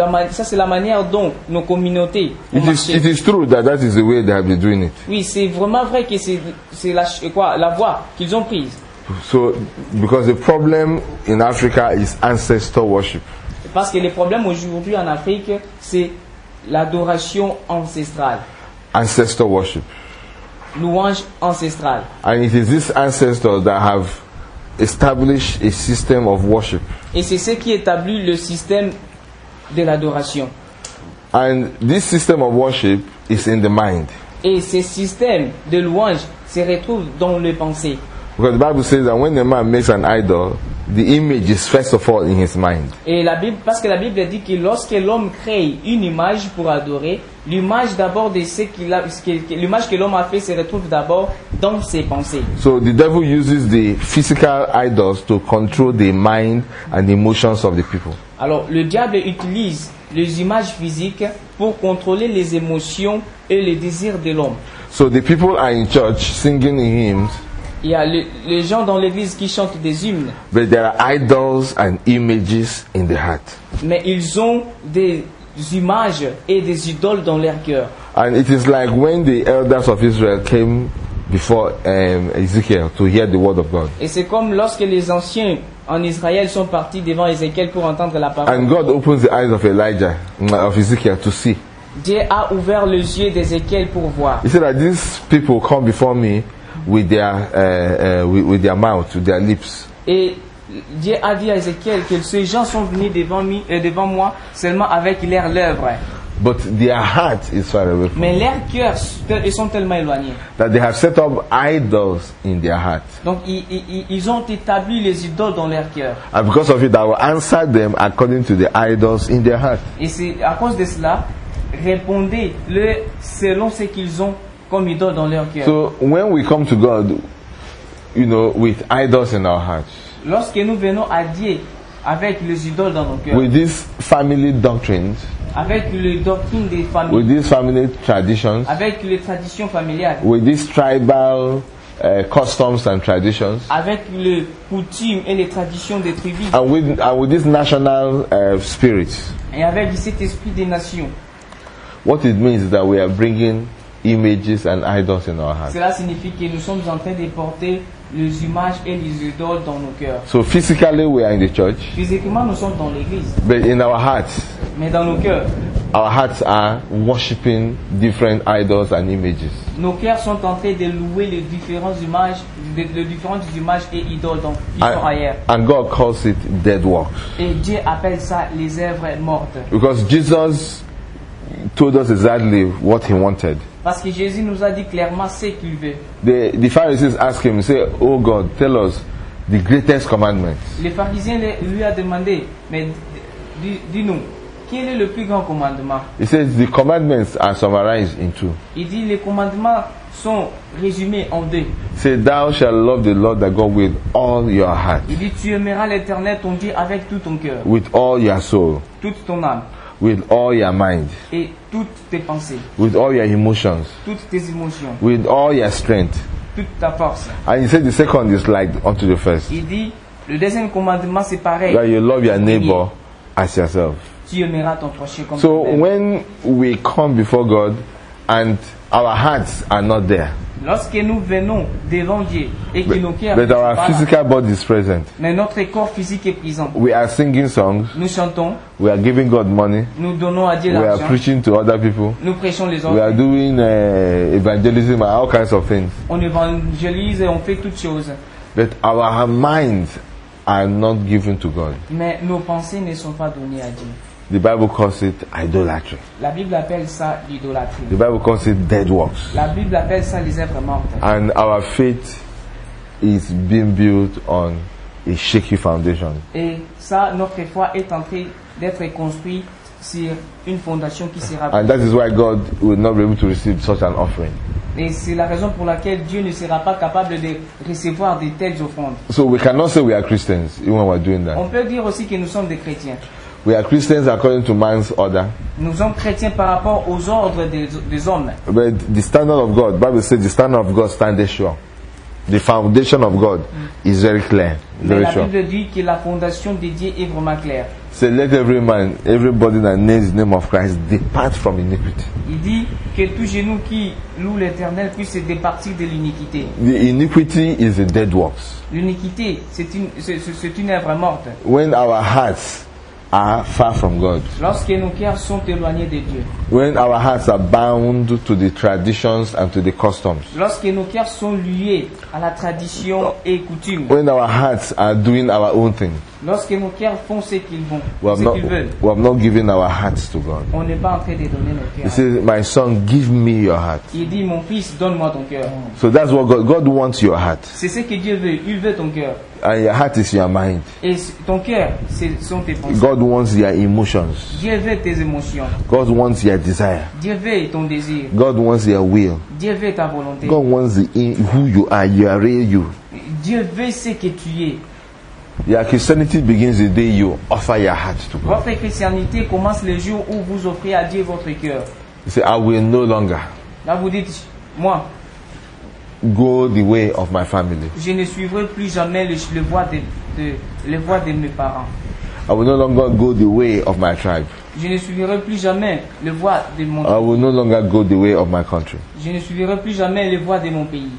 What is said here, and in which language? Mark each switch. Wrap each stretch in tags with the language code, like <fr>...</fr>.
<fr>Ça c'est la manière dont nos communautés ont marché.</fr> <en>It is true that is the way they have been doing it.</en> <fr>Oui, c'est vraiment vrai que c'est la voie qu'ils ont prise.</fr> <en>So because the problem in Africa is ancestor worship.</en> <fr>Parce que le problème aujourd'hui en Afrique c'est l'adoration ancestrale.</fr> <en>Ancestor worship.</en> <fr>Louange ancestrale.</fr> <en>And it is these ancestors that have established a system of worship.</en> <fr>Et c'est ce qui établit le système de l'adoration.</fr> <en>And this system of worship is in the mind.</en> <fr>Et ce système de louange se retrouve dans les pensées.</fr> <en>Because the Bible says that when a man makes an idol, the image is first of all in his mind.</en> <fr>Et la Bible, parce que la Bible dit que lorsque l'homme crée une image pour adorer, l'image d'abord de ce qu'il a, l'image que l'homme a fait se retrouve d'abord dans ses pensées.</fr> <en>So the devil uses the physical idols to control the mind and the emotions of the people.</en> <fr>Alors le diable utilise les images physiques pour contrôler les émotions et les désirs de l'homme.</fr> <en>So the people are in church singing hymns.</en> <fr>Il y a les gens dans l'église qui chantent des hymnes.</fr> <en>But there are idols and images in the heart.</en> <fr>Mais ils ont des images et des idoles dans leur cœur.</fr> <en>And it is like when the elders of Israel came before Ezekiel to hear the word of God.</en> <fr>Et c'est comme lorsque les anciens en Israël sont partis devant Ézéchiel pour entendre la parole.</fr> <en>And God opens the eyes of Elijah, of Ezekiel, to see.</en> <fr>Dieu a ouvert les yeux d'Ézéchiel pour voir.</fr> <en>He said that these people come before me with their with their mouth, with their lips.</en> <fr>Et Dieu a dit à Ézéchiel que ces gens sont venus devant moi seulement avec leurs lèvres.</fr> <en>But their heart is far away.</en> <fr>Mais leurs cœurs sont tellement éloignés.</fr> <en>That they have set up idols in their heart.</en> <fr>Donc ils ont établi les idoles dans leurs cœurs.</fr> <en>And because of it, I will answer them according to the idols in their heart.</en> <fr>Et c'est à cause de cela, répondez-le selon ce qu'ils ont comme idole dans leur cœur.</fr> <en>So when we come to God, you know, with idols in our hearts.</en> <fr>Lorsque nous venons à Dieu avec les idoles dans nos cœurs.</fr> <en>With these family doctrines.</en> <fr>Avec les doctrines des familles.</fr> <en>With these family traditions.</en> <fr>Avec les traditions familiales.</fr> <en>With these tribal customs and traditions.</en> <fr>Avec les coutumes et les traditions des tribus.</fr> <en>And with this national spirit.</en> <fr>Et avec cet esprit des nations.</fr> <en>What it means is that we are bringing images and idols in our hearts.</en> <fr>Cela signifie que nous sommes en train de porter les images et les idoles dans nos cœurs.</fr> <en>So physically we are in the church.</en> <fr>Physiquement nous sommes dans l'église.</fr> <en>But in our hearts.</en> <fr>Mais dans nos cœurs.</fr> <en>Our hearts are worshiping different idols and images.</en> <fr>Nos cœurs sont en train de louer les différentes images, les différentes images et idoles dans différents ailleurs.</fr> <en>And God calls it dead works.</en> <fr>Et Dieu appelle ça les œuvres mortes.</fr> <en>Because Jesus told us exactly what he wanted.</en> <fr>Parce que Jésus nous a dit clairement ce qu'il veut.</fr> <en>The Pharisees asked him, say, oh God, tell us the greatest commandment.</en> <fr>Les pharisiens lui a demandé, mais dis-nous, quel est le plus grand commandement?</fr> <en>He says the commandments are summarized in two.</en> <fr>Il dit les commandements sont résumés en deux.</fr> <en>Say thou shalt love the Lord thy God with all your heart.</en> <fr>Il dit tu aimeras l'Éternel ton Dieu avec tout ton cœur.</fr> <en>With all your soul.</en> <fr>Toute ton âme.</fr> <en>With all your mind.</en> <fr>Et toutes tes pensées.</fr> <en>With all your emotions.</en> <fr>Toutes tes émotions.</fr> <en>With all your strength.</en> <fr>Toute ta force.</fr> <en>And he said the second is like unto the first.</en> <fr>Il dit Le deuxième commandement, c'est pareil.</fr> <en>That you love your neighbor as yourself.</en> <fr>Tu aimeras ton prochain comme so toi-même.</fr> <en>When we come before God and our hearts are not there.</en> <fr>Lorsque nous venons devant Dieu et que nos cœurs sont là.</fr> <en>But our physical body is present.</en> <fr>Mais notre corps physique est présent.</fr> <en>We are singing songs.</en> <fr>Nous chantons.</fr> <en>We are giving God money.</en> <fr>Nous donnons à Dieu l'argent.</fr> <en>We are preaching to other people.</en> <fr>Nous prêchons les autres.</fr> <en>We are doing evangelism and all kinds of things.</en> <fr>On évangélise et on fait toutes choses.</fr> <en>But our minds are not given to God.</en> <fr>Mais nos pensées ne sont pas données à Dieu.</fr> <en>The Bible calls it idolatry.</en> <fr>La Bible appelle ça l'idolâtrie.</fr> <en>The Bible calls it dead works.</en> <fr>La Bible appelle ça les œuvres mortes.</fr> <en>And our faith is being built on a shaky foundation.</en> <fr>Et ça, notre foi est en train d'être construite sur une fondation qui sera.</fr> <en>And that is why God will not be able to receive such an offering.</en> <fr>Et c'est la raison pour laquelle Dieu ne sera pas capable de recevoir de telles offrandes.</fr> <en>So we cannot say we are Christians even when we're doing that.</en> <fr>On peut dire aussi que nous sommes des chrétiens.</fr> <en>We are Christians according to man's order.</en> <fr>Nous sommes chrétiens par rapport aux ordres des hommes.</fr> <en>But the standard of God, Bible says, the standard of God stands sure. The foundation of God is very clear. Very</en> <fr>la Bible dit que la fondation de Dieu est vraiment claire.</fr> <en>So let every man, everybody that names the name of Christ, depart from iniquity.</en> <fr>Il dit que tout genou qui loue l'Éternel puisse se départir de l'iniquité.</fr> <en>The iniquity is a dead works.</en> <fr>L'iniquité, c'est une œuvre morte.</fr> <en>When our hearts are far from God.</en> <fr>Lorsque nos cœurs sont éloignés de Dieu.</fr> <en>When our hearts are bound to the traditions and to the customs.</en> <fr>Lorsque nos cœurs sont liés à la tradition et coutumes.</fr> <en>When our hearts are doing our own thing.</en> <fr>Lorsque nos cœurs font ce qu'ils vont,</fr> <en>We have not given our hearts to God.</en> <fr>On n'est pas en train de donner nos cœurs.</fr> <en>He says, "My son, give me your heart."</en> <fr>Il dit, mon fils, donne-moi ton cœur.</fr> <en>So that's what God wants your heart.</en> <fr>C'est ce que Dieu veut. Il veut ton cœur.</fr> <en>And your heart is your mind.</en> <fr>Et ton cœur, ce sont tes pensées.</fr> <en>God wants your emotions.</en> <fr>Dieu veut tes émotions.</fr> <en>God wants your desire.</en> <fr>Dieu veut ton désir.</fr> <en>God wants your will.</en> <fr>Dieu veut ta volonté.</fr> <en>God wants who you are, your real you.</en> <fr>Dieu veut ce que tu es.</fr> <en>Your Christianity begins the day you offer your heart to God.</en> <fr>Votre chrétienté commence le jour où vous offrez à Dieu votre cœur.</fr> <en>You say, "I will no longer."</en> <fr>Là vous dites, moi.</fr> <en>Go the way of my family.</en> <fr>Je ne suivrai plus jamais les voies de mes parents.</fr> <en>I will no longer go the way of my tribe.</en> <fr>Je ne suivrai plus jamais les voies de mon pays.</fr> <en>I will no longer go the way of my country.</en> <fr>Je ne suivrai plus jamais les voies de mon pays.</fr>